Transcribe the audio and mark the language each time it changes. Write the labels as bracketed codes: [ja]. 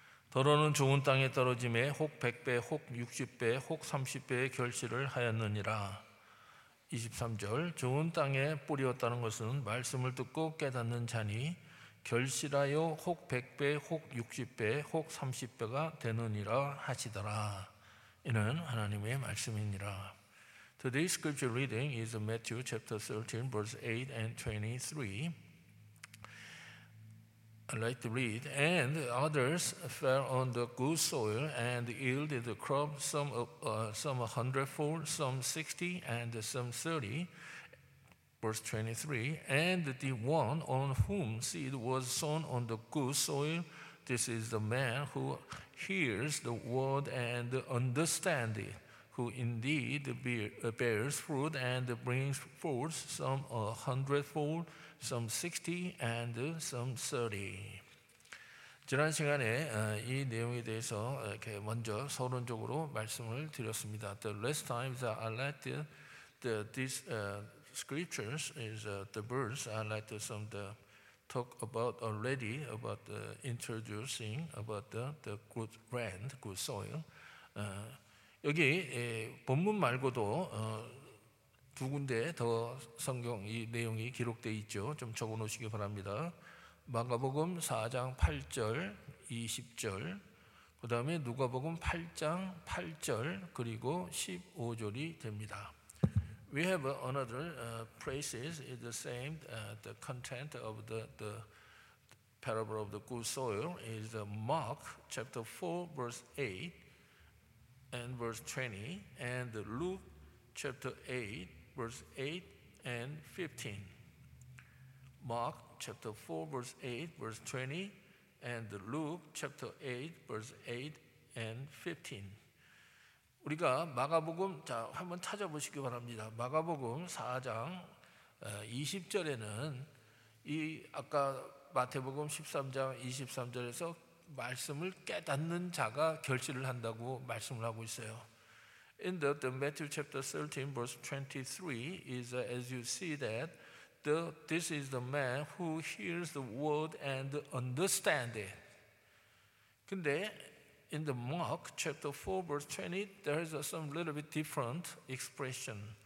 [ko] 더러는 좋은 땅에 떨어짐에 혹 100배, 혹 60배, 혹 30배의 결실을 하였느니라. 23절 좋은 땅에 뿌리었다는 것은 말씀을 듣고 깨닫는 자니 결실하여 혹 100배, 혹 60배, 혹 30배가 되느니라 하시더라. 이는 하나님의 말씀이니라. [en] Today's scripture reading is Matthew chapter 13, verse 8 and 23. I'd like to read, and others fell on the good soil and yielded the crop, some a hundredfold, some 60, and some 30. Verse 23, and the one on whom seed was sown on the good soil, this is the man who hears the word and understands it, who indeed bears fruit and brings forth some a hundredfold, some 60 and some 30. [ko] 지난 시간에 이 내용에 대해서 이렇게 먼저 서론적으로 말씀을 드렸습니다. [en] The last time that I liked these scriptures is the verse I liked some to talk about already about introducing about the good land, good soil. [ko] 여기 본문 말고도 두 군데 더 성경 이 내용이 기록돼 있죠. 좀 적어놓으시기 바랍니다. 마가복음 4장 8절, 20절, 그 다음에 누가복음 8장 8절, 그리고 15절이 됩니다. [en] We have another places in the same the content of the parable of the good soil is Mark chapter 4 verse 8 and verse 20 and Luke chapter 8 verse 8 and 15. Mark chapter 4 verse 8 verse 20 and Luke chapter 8 verse 8 and 15. [ko] 우리가 마가복음 자 한번 찾아보시기 바랍니다. 마가복음 4장 20절에는 이 아까 마태복음 13장 23절에서 말씀을 깨닫는 자가 결실을 한다고 말씀을 하고 있어요. [en] In the Matthew chapter 13 verse 23 is as you see that this is the man who hears the word and understand it. [ko] 근데 [en] In the Mark chapter 4 verse 20, there is some little bit different expression.